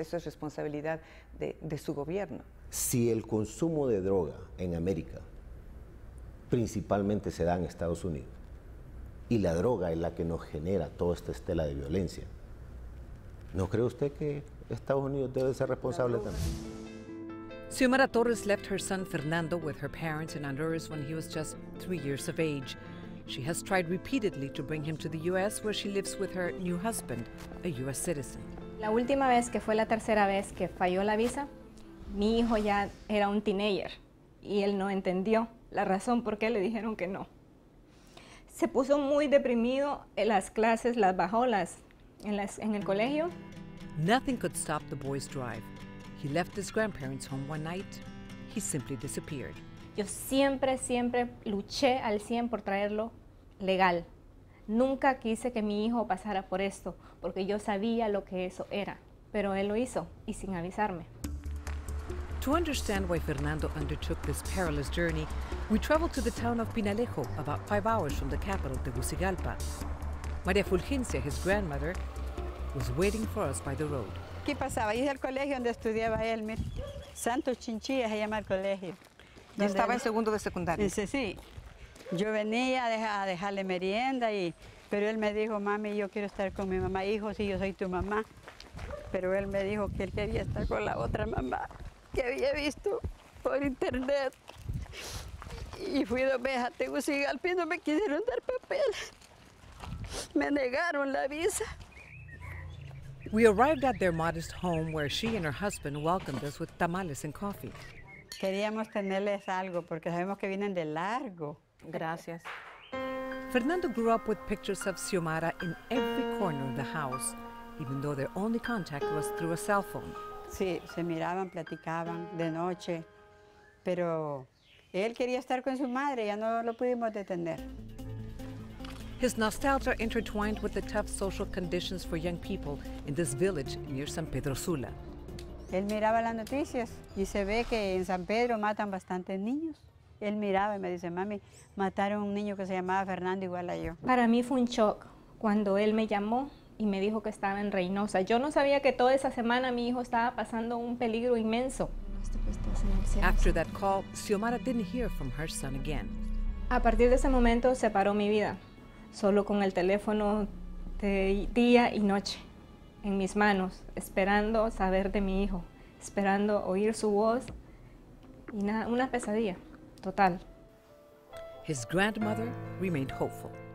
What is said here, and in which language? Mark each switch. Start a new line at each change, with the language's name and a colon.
Spanish: Eso es responsabilidad de su gobierno. Si el consumo de droga en América principalmente se da en Estados Unidos y la droga es la que nos genera toda esta estela de violencia, ¿no cree usted que Estados Unidos debe ser responsable también?
English: Xiomara Torres left her son Fernando with her parents in Honduras when he was just 3 years of age. She has tried repeatedly to bring him to the U.S. where she lives with her new husband, a U.S. citizen.
Spanish: La última vez, que fue la tercera vez que falló la visa, mi hijo ya era un teenager y él no entendió la razón por qué le dijeron que no. Se puso muy deprimido, en las clases las bajó en el colegio.
English: Nothing could stop the boy's drive. He left his grandparents' home one night. He simply disappeared.
Spanish: Yo siempre, siempre luché al 100 por traerlo legal. Nunca quise que mi hijo pasara por esto, porque yo sabía lo que eso era. Pero él lo hizo, y sin avisarme.
English: To understand why Fernando undertook this perilous journey, we traveled to the town of Pinalejo, about 5 hours from the capital, Tegucigalpa. María Fulgencia, his grandmother, was waiting for us by the road.
Spanish: ¿Qué pasaba? Ahí es el colegio donde estudiaba él, mira. Santo Chinchilla se llama el colegio. ¿Y estaba en segundo de secundaria? Dice, sí. Yo venía a dejarle merienda, pero él me dijo, mami, yo quiero estar con mi mamá. Hijo, sí, yo soy tu mamá. Pero él me dijo que él quería estar con la otra mamá que había visto por internet. Y fui 2 veces a Tegucigalpa y no me quisieron dar papel. Me negaron la visa.
English: We arrived at their modest home where she and her husband welcomed us with tamales and coffee.
Spanish: Queríamos tenerles algo porque sabemos que vienen de largo. Gracias.
English: Fernando grew up with pictures of Xiomara in every corner of the house, even though their only contact was through a cell phone.
Spanish: Sí, se miraban, platicaban de noche, pero él quería estar con su madre, ya no lo pudimos detener.
English: His nostalgia intertwined with the tough social conditions for young people in this village near San Pedro Sula.
Spanish: Él miraba las noticias y se ve que en San Pedro matan bastantes niños. Él miraba y me dice, mami, mataron un niño que se llamaba Fernando igual a yo. Para mí fue un shock cuando él me llamó y me dijo que estaba en Reynosa. Yo no sabía que toda esa semana mi hijo estaba pasando un peligro inmenso.
English: After that call, Xiomara didn't hear from her son again.
Spanish: A partir de ese momento se paró mi vida. Solo con el teléfono de día y noche en mis manos, esperando saber de mi hijo, esperando oír su voz, y nada, una pesadilla total.
English: His grandmother remained hopeful.